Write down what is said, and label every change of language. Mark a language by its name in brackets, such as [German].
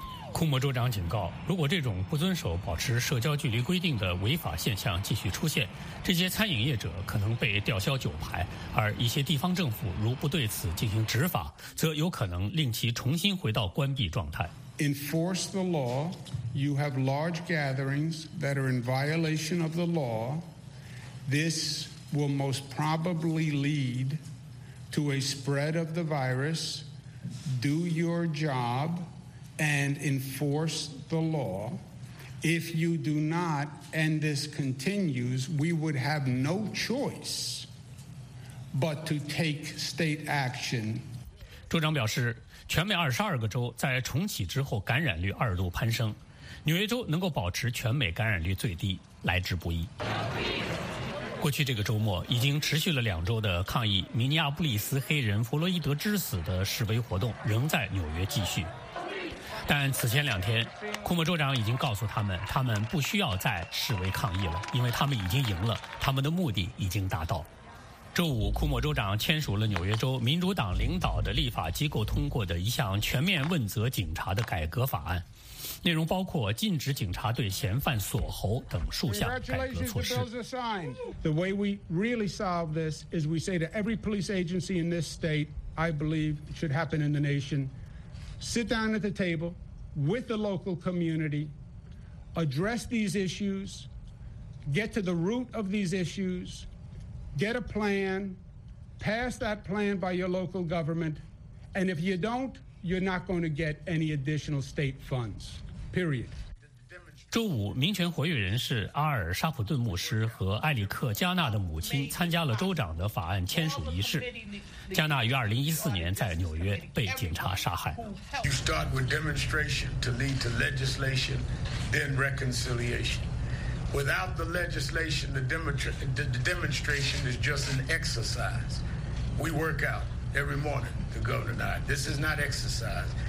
[Chinese] 库莫州长警告，如果这种不遵守保持社交距离规定的违法现象继续出现，这些餐饮业者可能被吊销酒牌，而一些地方政府如不对此进行执法，则有可能令其重新回到关闭状态。 [English] Enforce the law. You have large gatherings that are in violation of the law. This will most probably lead to a spread of the virus. Do your job. And enforce the law. If you do not, and this continues, we would have no choice but to take state action. [Chinese] 州长表示，全美22个州在重启之后感染率二度攀升，纽约州能够保持全美感染率最低，来之不易。过去这个周末已经持续了2周的抗议明尼阿布利斯黑人弗洛伊德之死的示威活动仍在纽约继续。但此前两天，库莫州长已经告诉他们，他们不需要再示威抗议了，因为他们已经赢了，他们的目的已经达到。周五，库莫州长签署了纽约州民主党领导的立法机构通过的一项全面问责警察的改革法案，内容包括禁止警察对嫌犯锁喉等数项改革措施。 [English] The way we really solve this is we say to every police agency in this state, I believe it should happen in the nation, sit down at the table with the local community, address these issues, get to the root of these issues, get a plan, pass that plan by your local government, and if you don't, you're not going to get any additional state funds. Period. [Chinese] 周五，民权活跃人士阿尔·沙普顿牧师和埃里克·加纳的母亲参加了州长的法案签署仪式。加纳于2014年在纽约被警察杀害。 [English] You start with demonstration to lead to legislation, then reconciliation. Without the legislation, the demonstration is just an exercise. We work out every morning, the governor and I. This is not exercise.